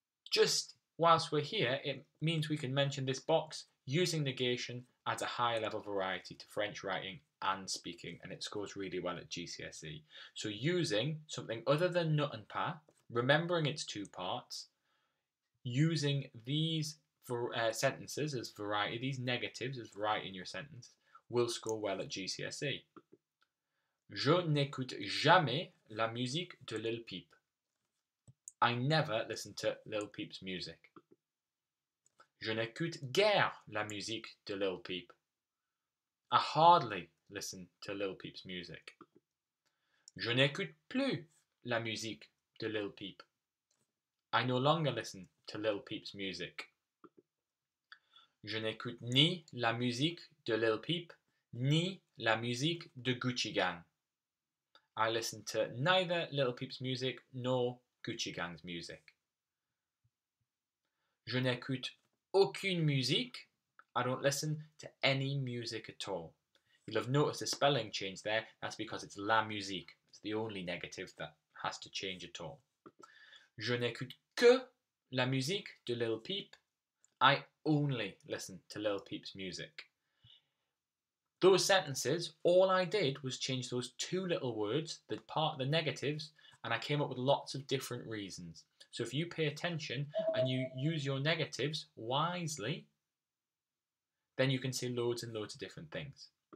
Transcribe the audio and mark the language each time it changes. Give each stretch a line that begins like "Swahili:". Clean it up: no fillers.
English: Just whilst we're here, it means we can mention this box using negation adds a higher level variety to French writing and speaking, and it scores really well at GCSE. So using something other than ne and pas, remembering its two parts, using these sentences as variety, these negatives as variety in your sentence, will score well at GCSE.
French: Je n'écoute jamais la musique de Lil Peep.
English: I never listen to Lil Peep's music.
French: Je n'écoute guère la musique de Lil Peep.
English: I hardly listen to Lil Peep's music.
French: Je n'écoute plus la musique de Lil Peep.
English: I no longer listen to Lil Peep's music.
French: Je n'écoute ni la musique de Lil Peep, ni la musique de Gucci Gang.
English: I listen to neither Lil Peep's music nor Gucci Gang's music.
French: Je n'écoute aucune musique.
English: I don't listen to any music at all. You'll have noticed a spelling change there. That's because it's la musique. It's the only negative that has to change at all.
French: Je n'écoute que la musique de Lil Peep.
English: I only listen to Lil Peep's music. Those sentences, all I did was change those two little words, the part of the negatives, and I came up with lots of different reasons. So if you pay attention and you use your negatives wisely, then you can see loads and loads of different things.